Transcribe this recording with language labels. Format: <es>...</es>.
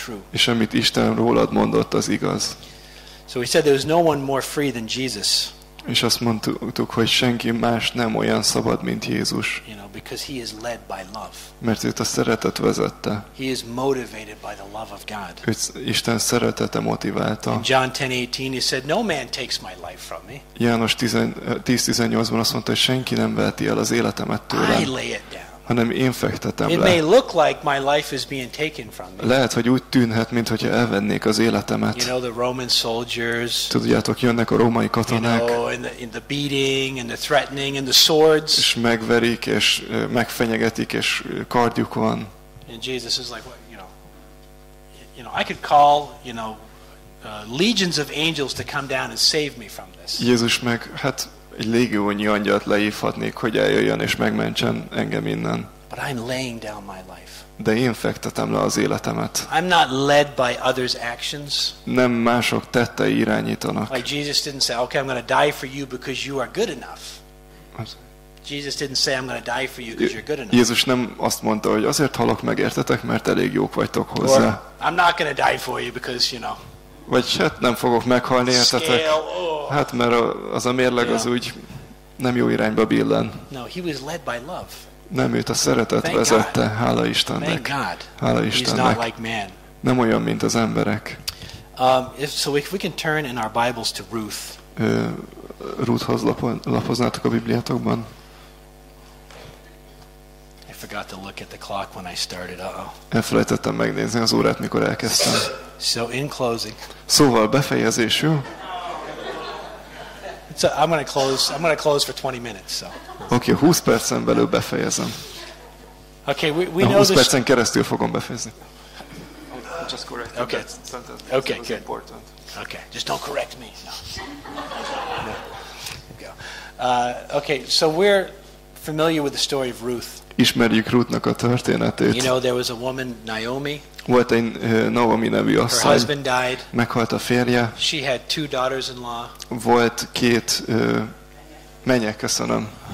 <hu>És amit Isten rólad mondott, az igaz.</hu> <en>So he said there was no one more free than Jesus.</en> <hu>És azt mondtuk, hogy senki más nem olyan szabad, mint Jézus.</hu> <en>You know, because he is led by love.</en> <hu>Mert őt a szeretet vezette.</hu> <en>He is motivated by the love of God.</en> <hu>Őt Isten szeretete motiválta.</hu> <en>In John 10:18 he said, no man takes my life from me.</en> <hu>János 10:18-ban azt mondta, hogy senki nem veheti el az életemet tőlem.</hu> <en>I lay it down.</en> <hu>Hanem én fektetem le.</hu> <en>It may look like my life is being taken from me.</en> <hu>Lehet, hogy úgy tűnhet, mint hogyha elvennék az életemet.</hu> <en>You know, the Roman soldiers.</en> <hu>Tudjátok, jönnek a római katonák.</hu> <en>You know, in the beating and the threatening and the swords.</en> <hu>És megverik és megfenyegetik és kardjuk van.</hu> <en>And Jesus is like, well, you know, I could call, you know, legions of angels to come down and save me from this.</en> <hu>Jézus meg, hát egy légiónyi angyalt leívhatnék, hogy eljöjjön és megmentsen engem innen.</hu> <en>But I'm laying down my life.</en> <hu>De én fektetem le az életemet.</hu> <en>I'm not led by others' actions.</en> <hu>Nem mások tettei irányítanak.</hu> <en>Like Jesus didn't say, okay, I'm going to die for you because you are good enough. Jesus didn't say, I'm going to die for you because you're good enough.</en> <hu>Jézus nem azt mondta, hogy azért halok meg értetek, mert elég jók vagytok hozzá.</hu> <en>Or, I'm not going to die for you because, you know.</en> <hu>Vagy hát nem fogok meghalni, értetek?</hu> <en>Scale,</en> <hu>hát mert az a mérleg az úgy nem jó irányba billen.</hu> <en>No, he was led by love.</en> <hu>Nem, őt a szeretet</hu> <en>Thank</en> <hu>vezette,</hu> <en>God.</en> <hu>Hála Istennek.</hu> <en>God.</en> <hu>Hála Istennek.</hu> <en>Not like man.</en> <hu>Nem olyan, mint az emberek.</hu> <en>If we can turn in our Bibles to Ruth.</en> <hu>Ruthhoz lapoznátok a Bibliátokban.</hu> <en>I forgot to look at the clock when I started.</en> <hu>Elfelejtettem megnézni az órát, mikor elkezdtem.</hu> <en>So in closing.</en> <hu>Szóval befejezésül.</hu> <en>So I'm going to close for 20 minutes, so.</en> <hu>Okay, 20 percen belül befejezem.</hu> <en>Okay, we know</en> <hu>20 percen keresztül fogom befejezni.</hu> <en>I just corrected okay. that sentence. Okay, it was good. Important. Okay, just don't correct me. No. No. Okay, so we're familiar with the story of Ruth.</en> <hu>Ismerjük Ruthnak a történetét.</hu> <en>You know, there was a woman, Naomi.</en> <hu>Volt egy Naomi nevű asszony.</hu> <en>Her husband died.</en> <hu>Meghalt a férje.</hu> <en>She had two daughters-in-law.</en> <hu>Volt két menye, köszönöm.</hu>